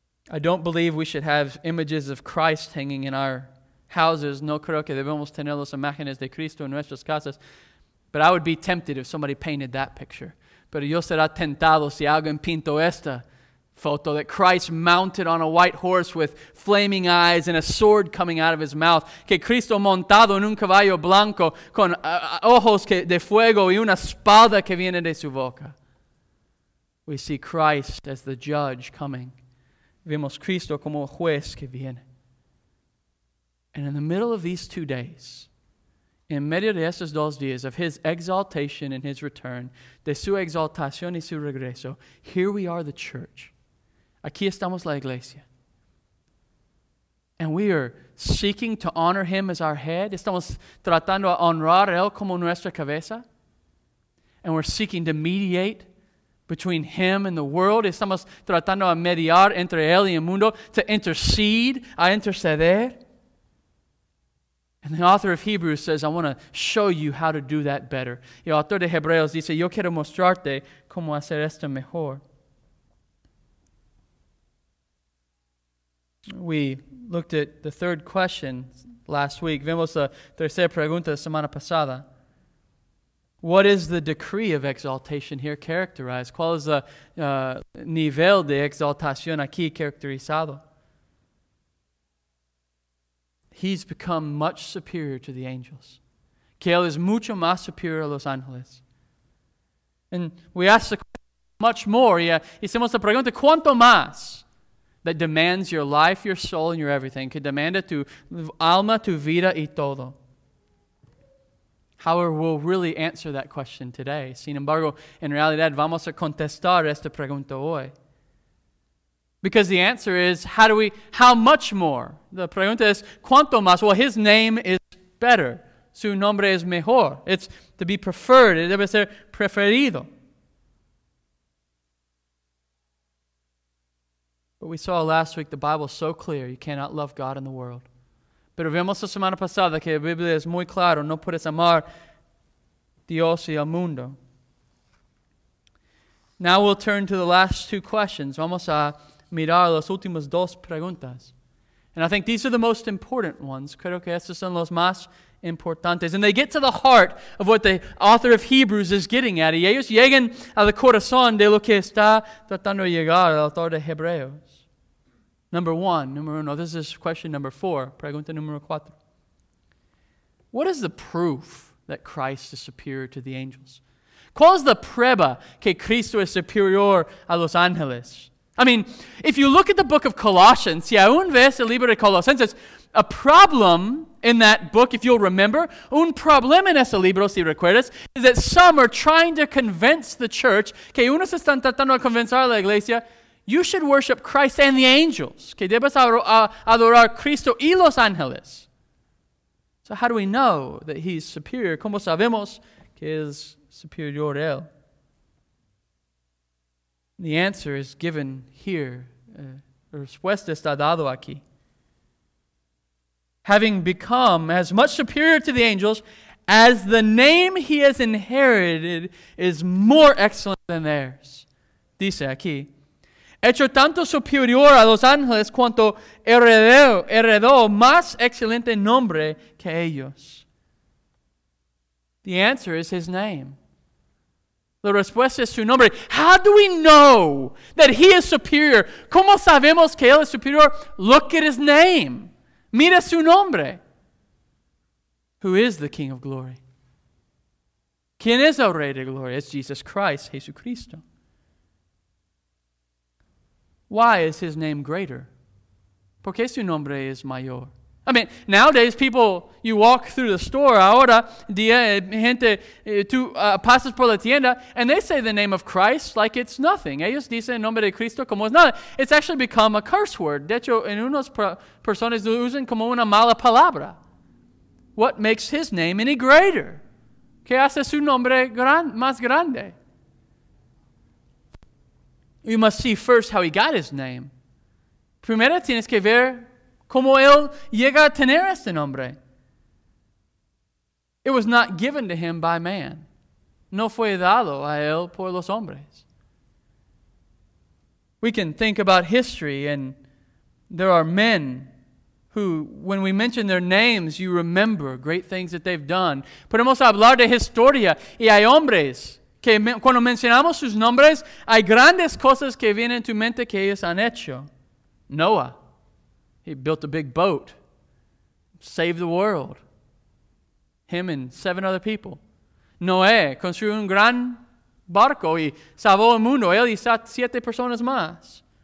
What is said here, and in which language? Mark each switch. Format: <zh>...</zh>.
<en>I don't believe we should have images of Christ hanging in our houses.</en> <es>No creo que debemos tener las imágenes de Cristo en nuestras casas.</es> <en>But I would be tempted if somebody painted that picture.</en> <es>Pero yo será tentado si alguien pintó esta</es> <en>photo that Christ mounted on a white horse with flaming eyes and a sword coming out of his mouth.</en> <es>Que Cristo montado en un caballo blanco con ojos de fuego y una espada que viene de su boca.</es> <en>We see Christ as the judge coming.</en> <es>Vemos Cristo como juez que viene.</es> <en>And in the middle of these 2 days,</en> <es>en medio de estos 2 días,</es> <en>of his exaltation and his return,</en> <es>de su exaltación y su regreso,</es> <en>here we are, the church.</en> <es>Aquí estamos la iglesia.</es> <en>And we are seeking to honor him as our head.</en> <es>Estamos tratando a honrar a él como nuestra cabeza.</es> <en>And we're seeking to mediate between him and the world.</en> <es>Estamos tratando a mediar entre él y el mundo,</es> <en>to intercede,</en> <es>a interceder.</es> <en>And the author of Hebrews says, I want to show you how to do that better.</en> <es>Y el autor de Hebreos dice, yo quiero mostrarte cómo hacer esto mejor.</es> <en>We looked at the third question last week.</en> <es>Vimos la tercera pregunta semana pasada.</es> <en>What is the degree of exaltation here characterized?</en> <es>¿Cuál es el nivel de exaltación aquí caracterizado?</es> <en>He's become much superior to the angels.</en> <es>Que él es mucho más superior a los ángeles.</es> <en>And we ask the question much more.</en> <es>Y hicimos la pregunta, ¿cuánto más?</es> <en>That demands your life, your soul, and your everything.</en> <es>Que demanda tu alma, tu vida y todo.</es> <en>However, we'll really answer that question today.</en> <es>Sin embargo, en realidad, vamos a contestar esta pregunta hoy.</es> <en>Because the answer is, how much more? The</en> <es>pregunta es, ¿cuánto más?</es> <en>Well, his name is better.</en> <es>Su nombre es mejor.</es> <en>It's to be preferred. It</en> <es>debe ser preferido.</es> <en>But we saw last week the Bible is so clear, you cannot love God and the world.</en> <es>Pero vimos la semana pasada que la Biblia es muy clara, no puedes amar Dios y el mundo.</es> <en>Now we'll turn to the last two questions.</en> <es>Vamos a mirar las últimas dos preguntas.</es> <en>And I think these are the most important ones.</en> <es>Creo que estos son los más importantes.</es> <en>And they get to the heart of what the author of Hebrews is getting at.</en> <es>Y ellos llegan al corazón de lo que está tratando de llegar el autor de Hebreos.</es> <en>Number uno, this is question number four,</en> <es>pregunta número cuatro.</es> <en>What is the proof that Christ is superior to the angels?</en> <es>¿Cuál es la prueba que Cristo es superior a los ángeles?</es> <en>I mean, if you look at the book of Colossians,</en> <es>si aún ves el libro de Colosenses,</es> <en>a problem in that book, if you'll remember,</en> <es>un problema en ese libro, si recuerdas,</es> <en>is that some are trying to convince the church,</en> <es>que unos están tratando de convencer a la iglesia,</es> <en>you should worship Christ and the angels.</en> <es>Que debes adorar Cristo y los ángeles.</es> <en>So how do we know that he's superior?</en> <es>¿Cómo sabemos que es superior a él?</es> <en>The answer is given here.</en> <es>Respuesta está dado aquí.</es> <en>Having become as much superior to the angels as the name he has inherited is more excellent than theirs.</en> <es>Dice aquí. Hecho tanto superior a los ángeles cuanto heredó más excelente nombre que ellos.</es> <en>The answer is his name.</en> <es>La respuesta es su nombre.</es> <en>How do we know that he is superior?</en> <es>¿Cómo sabemos que él es superior?</es> <en>Look at his name.</en> <es>Mira su nombre.</es> <en>Who is the King of Glory?</en> <es>¿Quién es el Rey de Gloria?</es> <en>It's Jesus Christ,</en> <es>Jesucristo.</es> <en>Why is his name greater?</en> <es>¿Por qué su nombre es mayor?</es> <en>I mean, nowadays people, you walk through the store,</en> <es>ahora, día, gente, tú pasas por la tienda,</es> <en>and they say the name of Christ like it's nothing.</en> <es>Ellos dicen el nombre de Cristo como es nada.</es> <en>It's actually become a curse word.</en> <es>De hecho, en unas personas lo usan como una mala palabra.</es> <en>What makes his name any greater?</en> <es>¿Qué hace su nombre más grande?</es> <en>You must see first how he got his name.</en> <es>Primero tienes que ver cómo él llega a tener este nombre.</es> <en>It was not given to him by man.</en> <es>No fue dado a él por los hombres.</es> <en>We can think about history, and there are men who, when we mention their names, you remember great things that they've done.</en> <es>Podemos hablar de historia, y hay hombres que cuando mencionamos sus nombres, hay grandes cosas que vienen en tu mente que ellos han hecho.</es> <en>Noah, he built a big boat, saved the world, him and 7 other people.</en> <es>Noé construyó un gran barco y salvó el mundo, él y 7 personas más.</es>